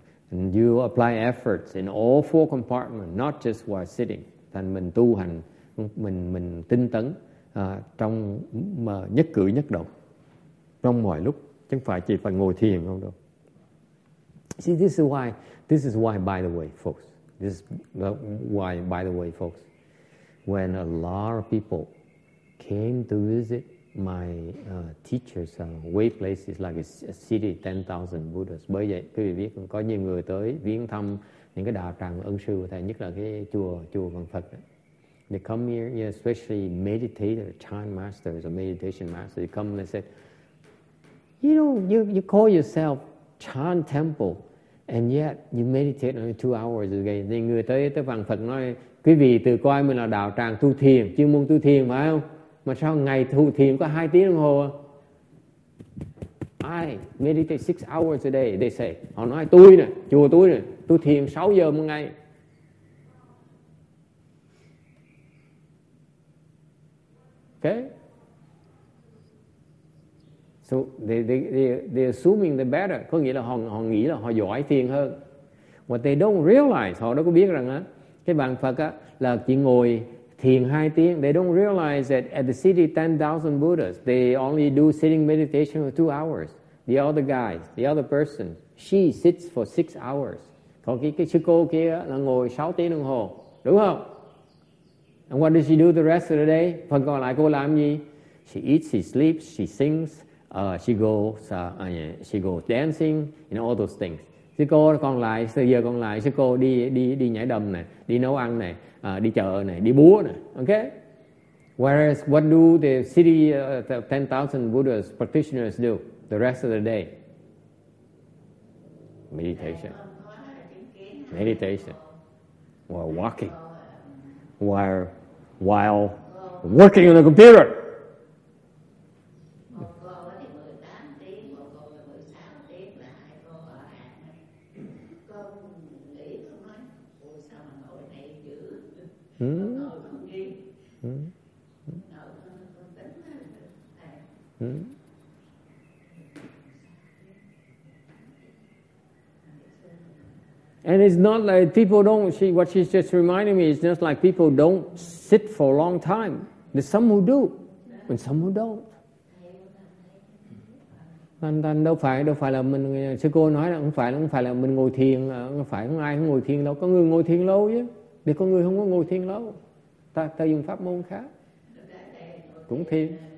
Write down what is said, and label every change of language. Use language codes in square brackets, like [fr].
[en] And you apply efforts in all four compartments, not just while sitting. [vi] Thành mình tu hành, mình tinh tấn trong mà nhất cử nhất động trong mọi lúc, chứ không phải chỉ phải ngồi thiền không đâu. [en] See, this is why, by the way, folks. This is why, by the way, folks. When a lot of people came to visit my teachers way places like a city 10,000 Buddhas. [vi] Bởi vậy, quý vị biết có nhiều người tới viếng thăm những cái đạo tràng ân sư của thầy, nhất là cái chùa Vạn Phật. [en] They come here, yeah, especially meditators, Chan masters or meditation masters. They come and they say, you know, you call yourself Chan Temple, and yet you meditate only 2 hours a day. [vi] Thì người tới Vạn Phật nói, quý vị tự coi mình là đạo tràng tu thiền, chuyên môn tu thiền phải không? Mà sao ngày tu thiền có 2 tiếng đồng hồ à? [en] I meditate 6 hours a day, they say. [vi] Họ nói tôi nè, chùa tôi nè, tu thiền 6 giờ một ngày. [en] Okay? So they assuming they're better. [vi] Có nghĩa là họ nghĩ là họ giỏi thiền hơn. [en] What they don't realize, [vi] họ đâu có biết rằng á, cái bàn Phật á, là chỉ ngồi thiền 2 tiếng. [en] They don't realize that at the city 10,000 Buddhas, they only do sitting meditation for 2 hours. The other guy, the other person, she sits for 6 hours. [vi] Còn cái sư cô kia là ngồi 6 tiếng đồng hồ. Đúng không? [en] And what does she do the rest of the day? [vi] Phần còn lại cô làm gì? [en] She eats, she sleeps, she sings. She goes dancing and all those things. [vi] Sư cô còn lại, sư giờ còn lại, sư cô đi nhảy đầm này, đi nấu ăn này, đi chợ này, đi búa này. [en] Okay? Whereas what do the city the 10,000 Buddhas practitioners do the rest of the day? Meditation. Meditation. While walking. While working on the computer. And it's not like people don't, what she's just reminding me, is just like people don't sit for a long time. There's some who do, and some who don't. [vi] Thành đâu phải là mình, sư cô nói là không phải là mình ngồi thiền, không ai không ngồi thiền lâu, có người ngồi thiền lâu chứ. Thì có người không có ngồi thiền lâu, ta dùng pháp môn khác cũng thiền.